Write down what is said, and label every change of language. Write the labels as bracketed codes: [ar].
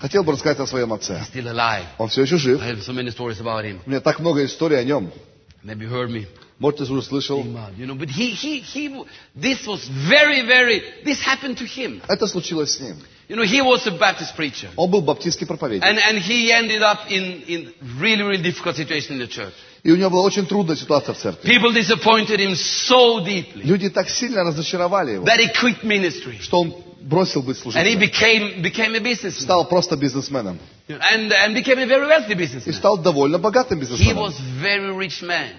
[ru] Хотел бы рассказать о своем отце. [en] He's still alive. [ru] Он все еще жив. [en] I have so many stories about him. [ru] У меня так много историй о нем. [en] Maybe you heard me. [ru] Может, ты уже слышал. [en] You know, but he this was very, very, this happened to him. [ru] Это случилось с ним. [en] You know, he was a Baptist preacher. [ru] Он был баптистский проповедник. [en] And he ended up in really, really difficult situation in the church. [ru] И у него была очень трудная ситуация в церкви. [en] People disappointed him so deeply. [ru] Люди так сильно разочаровали его. [en] That he quit ministry. [ru] Что он бросил быть служителем. [en] And he became a businessman. [ru] Стал просто бизнесменом. [en] And became a very wealthy businessman. [ru] И стал довольно богатым бизнесменом. [en] He was very rich man.